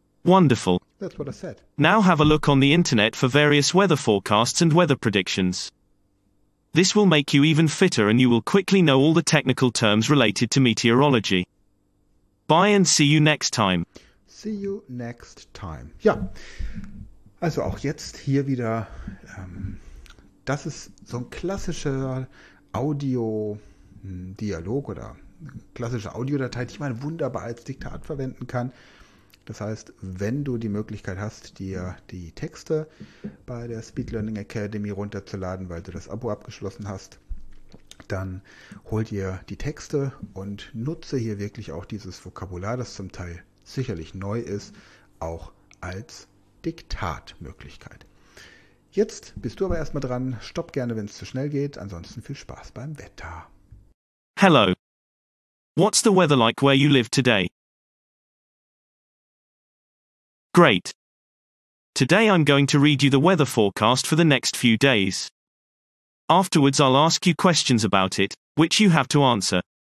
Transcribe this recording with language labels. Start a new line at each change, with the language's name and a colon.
English: Wonderful. That's what I said. Now have a look on the internet for various weather forecasts and weather predictions. This will make you even fitter and you will quickly know all the technical terms related to meteorology. Bye and see you next time. See you next time.
German: Ja, also auch jetzt hier wieder, das ist so ein klassischer Audio-Dialog oder klassische Audiodatei, die man wunderbar als Diktat verwenden kann. Das heißt, wenn du die Möglichkeit hast, dir die Texte bei der Speed Learning Academy runterzuladen, weil du das Abo abgeschlossen hast, dann hol dir die Texte und nutze hier wirklich auch dieses Vokabular, das zum Teil sicherlich neu ist, auch als Diktatmöglichkeit. Jetzt bist du aber erstmal dran. Stopp gerne, wenn es zu schnell geht. Ansonsten viel Spaß beim Wetter.
English: Hello. What's the weather like where you live today? Great. Today I'm going to read you the weather forecast for the next few days. Afterwards, I'll ask you questions about it, which you have to answer.